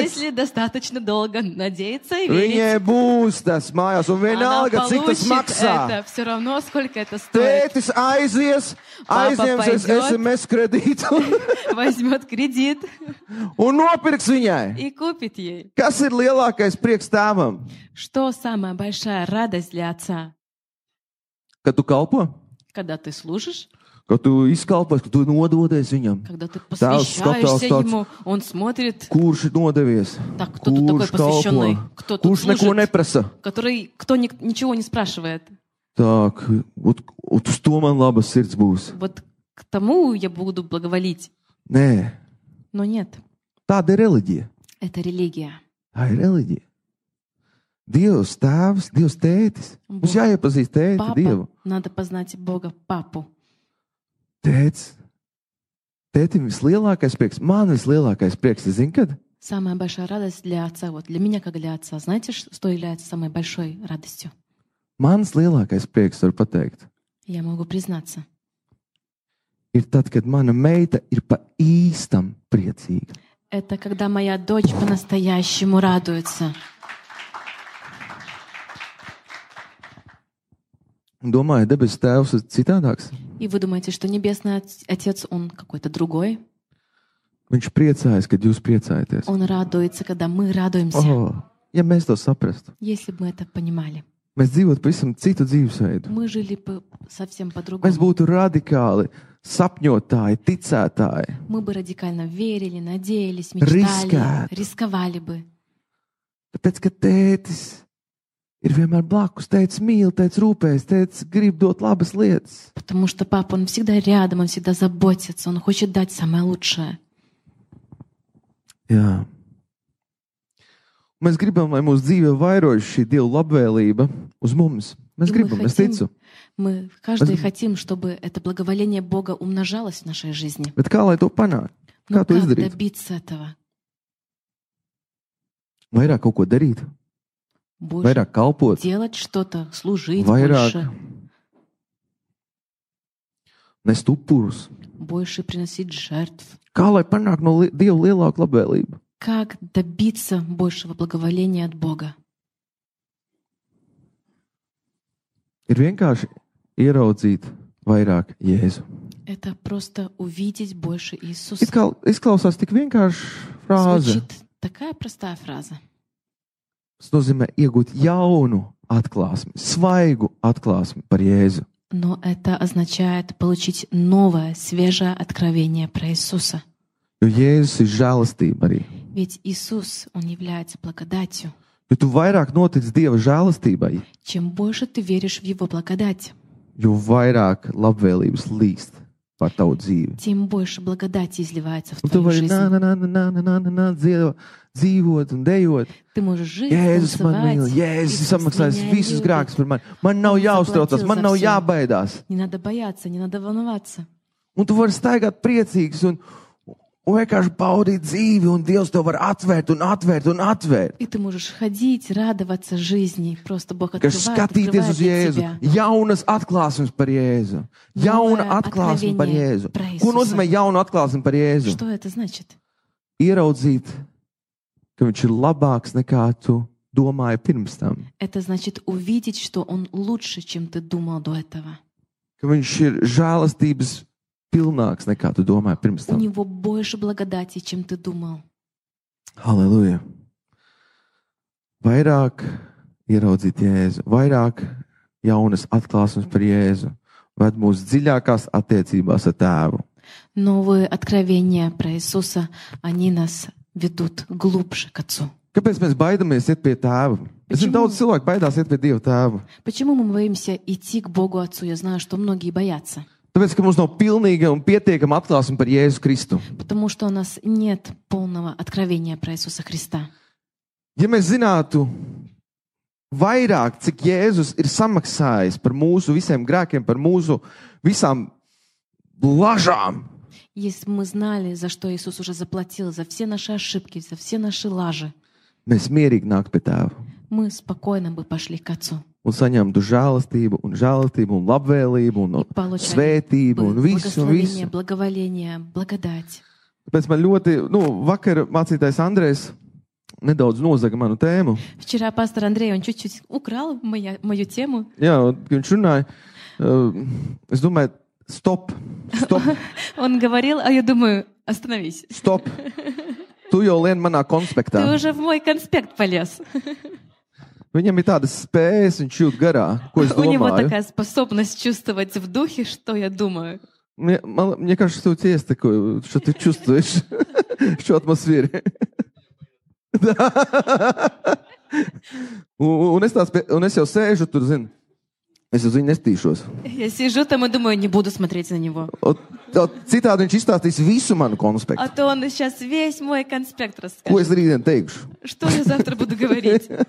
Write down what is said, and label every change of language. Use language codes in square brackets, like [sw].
[ru] Если достаточно долго надеяться и верить. [lv] Viņai būs tas mājās, un vienalga, cik tas maksā. [ru] Она получит это, все равно, сколько это стоит. [lv] Tētis aizies, aizņemsies SMS kredītu. [ru] Возьмет кредит. [lv] Un nopirks viņai. [ru] И купит ей. [lv] Kas ir lielākais prieks tēvam? [ru] Что самая большая радость для отца? [lv] Kad tu kalpo? [ru] Когда ты служишь. [lv] Kad tu izkalpojies, kad tu nododies viņam. Tēvs skatās tāds, un [ru] smotrit, [lv] kurš ir nodevies, [ru] tak, [lv] tu kurš kalpo, kurš [ru] služit, [lv] neko neprasa. [ru] Который, кто ничего не спрашивает. Tak, ot [lv] uz to man labas sirds būs. [ru] Вот к тому я буду благоволить. [lv] Nē. [ru] Но нет. [lv] Tāda ir reliģija. [ru] Это религия. [lv] Tā ir reliģija. Dievs tēvs, Dievs tētis. Mums jāiepazīst tēti Papa, Dievu. [ru] Надо познать Бога папу. [lv] Tēts, tētim vislielākais prieks, man vislielākais prieks, zin kad? [ru] Samāja baļšā radās для отца, вот для меня, как для отца, знаете, что является самой большой радостью? [lv] Mans lielākais prieks, varu pateikt. [ru] Я могу признаться. [lv] Ir tad, kad mana meita ir pa īstam priecīga. [ru] Это когда моя дочь по-настоящему радуется. [lv] Domāju, debes tēvs ir citādāks. [ru] И вы думаете, что небесный отец, он какой-то другой? [lv] Viņš priecājas, kad jūs priecājaties. [ru] Он радуется, когда мы радуемся. [lv] О, ja mēs to saprastu. [ru] Если бы мы это понимали. [lv] Mēs dzīvotu pavisam citu dzīvesveidu. [ru] Мы жили бы совсем по-другому. [lv] Mēs būtu radikāli, sapņotāji, ticētāji. [ru] Мы бы радикально верили, надеялись, мечтали, рисковали бы. [lv] Tāpēc, ka tētis ir vienmēr blakus, tētis mīl, tētis rūpējas, tētis grib dot labas lietas. [ru] Потому что папа, он всегда рядом, он всегда заботится, он хочет дать самое лучшее. [lv] Jā. Mēs gribam, lai mūsu dzīve vairojas šī Dieva labvēlība uz mums. Mēs gribam, mēs ticu. [ru] Мы каждый хотим, чтобы это благоволение Бога умножалось в нашей жизни. [lv] Bet kā lai to panākt? Kā to izdarīt? [ru] Добиться этого? [lv] Vairāk kaut ko darīt? [ru] Больше. [lv] Vairāk kalpot? [ru] Делать что-то, служить [lv] Vairāk. [ru] Больше. [lv] Nest upurus. [ru] Больше приносить жертв. [lv] Kā lai panāk no Dieva lielāku labvēlību? [ru] Как добиться большего благоволения от Бога? [lv] Ir vienkārši ieraudzīt vairāk Jēzu. [ru] Это просто увидеть больше Иисуса. [lv] Izklausās tik vienkārši frāze. [ru] Звучит такая простая фраза. [lv] Tas nozīmē iegūt jaunu atklāsmi, svaigu atklāsmi par Jēzu. [ru] Но это означает получить новое, свежее откровение про Иисуса. [lv] Jo Jēzus ir žēlastība arī. [ru] Ведь Иисус, он является благодатью. [lv] Jo tu vairāk notic Dieva žēlastībai. [ru] Чем больше ты веришь в его благодать. [lv] Jo vairāk labvēlības līst par tavu dzīvi. [ru] Тем больше благодати изливается в твою жизнь. [lv] На dzīvot un dejot. [ru] Ты можешь жить, [lv] Jēzus man mīl, Jēzus samaksājis visus grēkus par mani. Man нав jāuztraucas, man нав jābaidās. [ru] Не надо бояться, не надо волноваться. [lv] Un tu vari staigāt priecīgs un vienkārši baudīt dzīvi un Dievs tev var atvērt un atvērt un atvērt. [ru] И ты можешь ходить, радоваться жизни, просто Бог открывает. [lv] Kas skatīties uz Jēzu, jaunas atklāsmes par Jēzu. Jauna atklāsme par Jēzu. Ko nozīmē jauna atklāsme par Jēzu? [ru] Что это значит? [lv] Ieraudzīt, ka viņš ir labāks nekā tu domāji pirms tam. [ru] Это значит увидеть, что он лучше, чем ты думал до этого. [lv] Ka viņš ir žēlastības pilnāks nekā tu domāji pirms tam. [ru] У него больше благодати, чем ты думал. [lv] Halleluja. Vairāk ieraudzīt Jēzu, vairāk jaunas atklāsmes par Jēzu, ved mūs dziļākās attiecībās ar Tēvu. [ru] Новые откровения про Иисуса, они нас ведут глубже к Отцу. [lv] Kāpēc mēs baidāmies iet pie Tēva? Es zinu, daudz cilvēku baidās iet pie Dieva Tēva. [ru] Почему мы боимся идти к Богу Отцу? Я знаю, что многие боятся. [lv] Tāpēc, ka mums nav pilnīga un pietiekama atklāsuma par Jēzus Kristu. [ru] Потому что у нас нет полного откровения про Иисуса Христа. [lv] Ja mēs zinātu vairāk, cik Jēzus ir samaksājis par mūsu visiem grēkiem, par mūsu visām lažām. [ru] Если мы знали, за что Иисус уже заплатил, за все наши ошибки, за все наши лажи. [lv] Mēs mierīgi nāk pie Tēva. [ru] Мы спокойно бы пошли к Отцу. [lv] Un saņemtu žēlastību, un žēlastību, un labvēlību, un svētību, un visu, un visu. [ru] Благоволение, благодать. [lv] Tāpēc man ļoti, nu, vakar mācītājs Andrejs nedaudz nozaga manu tēmu. [ru] Вчера пастор Андрей, он чуть-чуть украл мою тему. [lv] Jā, viņš runāja, es domāju, stop. [ru] Он говорил, а я думаю, остановись. [lv] Stop. Tu jau lien manā konspektā. [ru] Ты уже в мой конспект полез. [lv] Viņam ir tādas spējas, viņš jūt garā, ko es domāju. [ru] У него такая способность чувствовать в духе, что я думаю. Мне кажется, у тебя есть такое, что ты чувствуешь, что атмосфере. Да. [lv] Un es jau sēžu tur, zin. Es uz viņu nestīšos. [ru] Я сижу там и думаю, не буду смотреть на него. [lv] Citādi viņš izstāstīs visu manu konspektu. [ru] А то он сейчас весь мой конспект расскажет. [lv] Ko es rītdien teikšu? [ru] Что я завтра буду говорить?